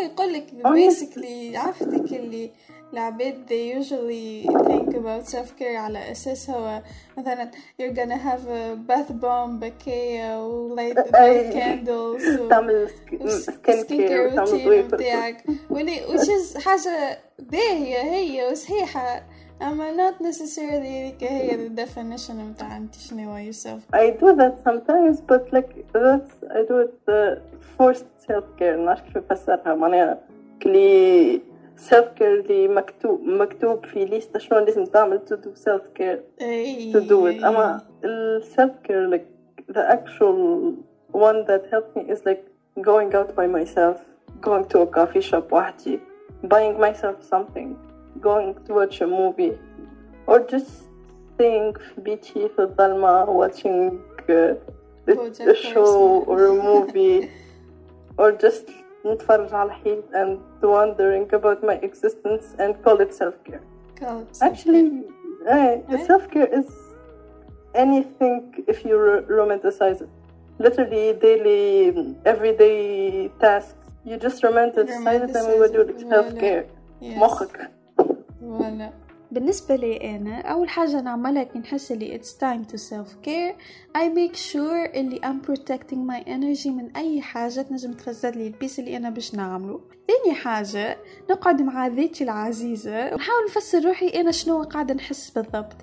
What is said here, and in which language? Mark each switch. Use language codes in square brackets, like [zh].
[en] يقول لك basically [ar] عفتك اللي العباد [en] they usually think about self care [ar] على أساس هو مثلا [en] you're gonna have a bath bomb بكية و light candles و skin care [ar] routine متاعك ولي which is حاجة باهية هي وصحيحة أما [en] not necessarily [ar] هي the definition متاع انت شنو يوسف. [en] I do that sometimes but like that's I do it forced self care, not to [ar] فسرها معناها كلي [en] self care [ar] اللي مكتوب في ليست شلون لازم تعمل [en] to do self care to do it. أما self care like the actual one that helped me is like going out by myself, going to a coffee shop وحدي, buying myself something, going to watch a movie, or just staying [ar] في بيتي في الظلمة [en] watching a show or a movie or just [ar] نتفرج على الحيط [en] and wondering about my existence and call it self-care. Actually, self-care is anything if you romanticize it. Literally, daily, everyday tasks. You just romanticize them and you would do self-care. [ar] مخك. ولا. بالنسبة لي أنا, أول حاجة نعملها كي نحس لي [en] it's time to self-care, I make sure [ar] اللي [en] I'm protecting my energy [ar] من أي حاجة نجم تفزد لي البيس اللي أنا باش نعمله. ثاني حاجة نقعد مع ذيتي العزيزة وحاول نفسر روحي أنا شنو قاعدة نحس بالضبط.